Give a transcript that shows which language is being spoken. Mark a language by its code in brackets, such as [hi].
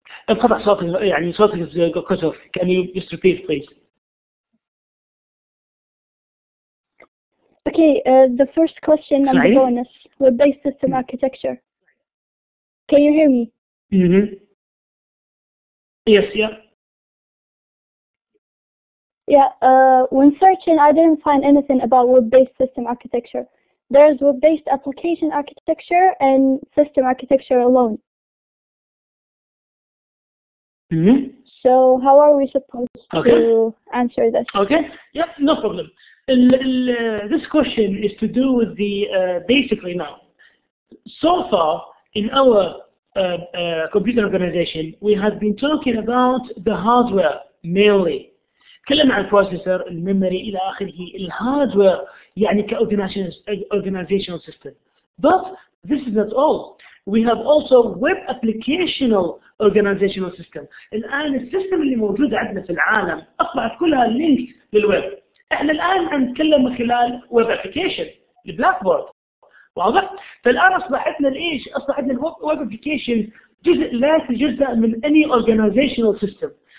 [ar] انقطع صوتك، يعني صوتك كسر. [en] Can you just repeat please? Okay, the first question on the bonus, web-based system architecture. Can you hear me? Mm-hmm. Yes, yeah. Yeah, when searching, I didn't find anything about web-based system architecture. There's web-based application architecture and system architecture alone. Mm-hmm. So how are we supposed to answer this? Okay. Yep. No problem. This question is to do with the basically now. So far in our computer organization, we have been talking about the hardware mainly. [ar] كلام عن processor, memory, إلى آخره. [en] Hardware يعني organizational system. But this is not all. We have also web applicational organizational system. [ar] الآن السيستم اللي موجود عندنا في العالم أصبحت كلها linked للويب. إحنا الآن هنتكلم خلال web application البلاكبورد. واضح؟ فالآن أصبحتنا الإيش؟ أصبحتنا web application جزء لا يتجزأ من [en] any organizational system.